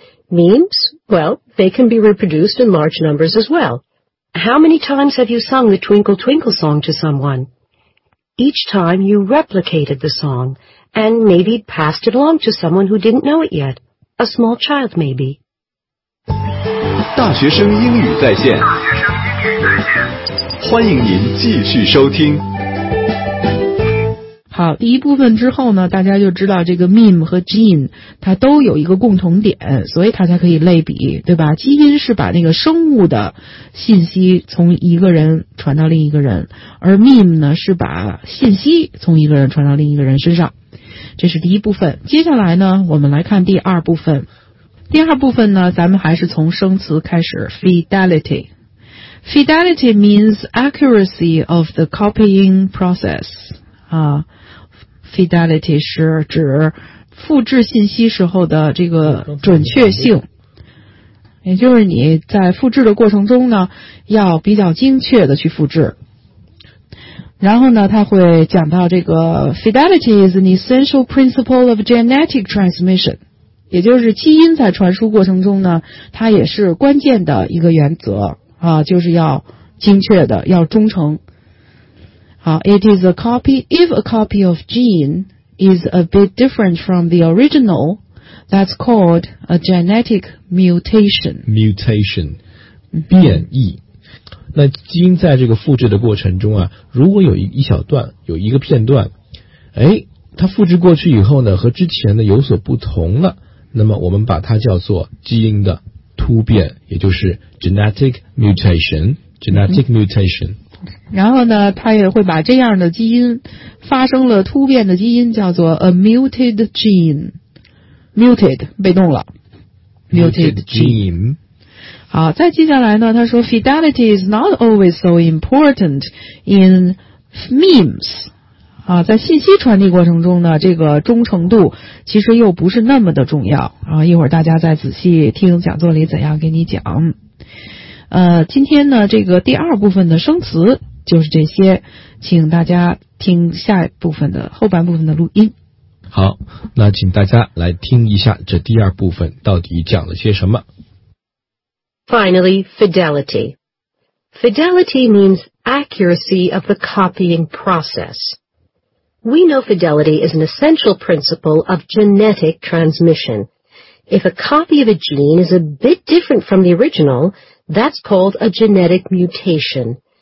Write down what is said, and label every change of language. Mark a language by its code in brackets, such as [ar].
[en] Memes, well, they can be reproduced in large numbers as well. How many times have you sung the Twinkle Twinkle song to someone? Each time you replicated the song and maybe passed it along to someone who didn't know it yet. A small child, maybe. [zh] 大学生英语在线，欢迎您继续收听。好，第一部分之后呢，大家就知道这个 meme 和 gene 它都有一个共同点，所以它才可以类比，对吧？基因是把那个生物的信息从一个人传到另一个人，而 meme 呢是把信息从一个人传到另一个人身上。这是第一部分。接下来呢，我们来看第二部分。第二部分呢，咱们还是从生词开始。 [en] Fidelity. Fidelity means accuracy of the copying process. [zh] Fidelity 是指复制信息时候的这个准确性。也就是你在复制的过程中呢，要比较精确的去复制。然后呢，他会讲到这个 [en] Fidelity is an essential principle of genetic transmission。 [zh] 也就是基因在传输过程中呢，它也是关键的一个原则啊，就是要精确的，要忠诚。 [en] 好， it is a copy. If a copy of gene is a bit different from the original, that's called a genetic mutation. Mutation, 变异。 [zh] 那基因在这个复制的过程中啊，如果有一小段，有一个片段，哎，它复制过去以后呢，和之前的有所不同了。那么我们把它叫做基因的突变，也就是 genetic mutation, genetic mutation。然后呢，他也会把这样的基因发生了突变的基因叫做 [en] a muted gene, [zh] muted, 被动了。 muted gene。好，再接下来呢，他说 [en] fidelity is not always so important in memes。 [zh] 啊，在信息传递过程中呢，这个忠诚度其实又不是那么的重要啊。一会儿大家再仔细听讲座里怎样给你讲。今天呢，这个第二部分的生词就是这些，请大家听下一部分的后半部分的录音。好，那请大家来听一下这第二部分到底讲了些什么。 [en] Finally, fidelity. Fidelity means accuracy of the copying process. We know fidelity is an essential principle of genetic transmission. If a copy of a gene is a bit different from the original, that's called a genetic mutation.